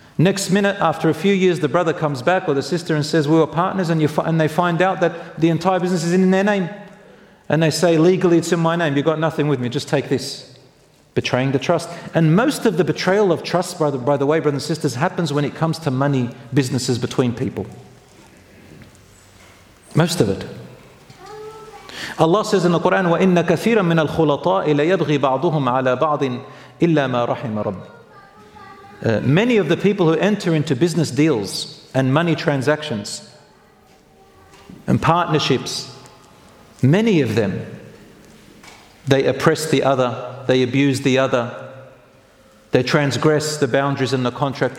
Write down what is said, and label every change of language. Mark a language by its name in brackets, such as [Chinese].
[English] Next minute, after a few years, the brother comes back, or the sister, and says, we were partners, and they find out that the entire business is in their name. And they say, legally, it's in my name. You've got nothing with me. Just take this. Betraying the trust. And most of the betrayal of trust, by the way, brothers and sisters, happens when it comes to money businesses between people. Most of it. Allah says in the Quran, [Arabic] وَإِنَّ كَثِيرًا مِنَ الْخُلَطَاءِ لَيَبْغِي بَعْضُهُمْ عَلَى بَعْضٍ إِلَّا مَا رَحِمَ رَبِّ. [English] Many of the people who enter into business deals and money transactions and partnerships, many of them, they oppress the other, they abuse the other, they transgress the boundaries in the contract.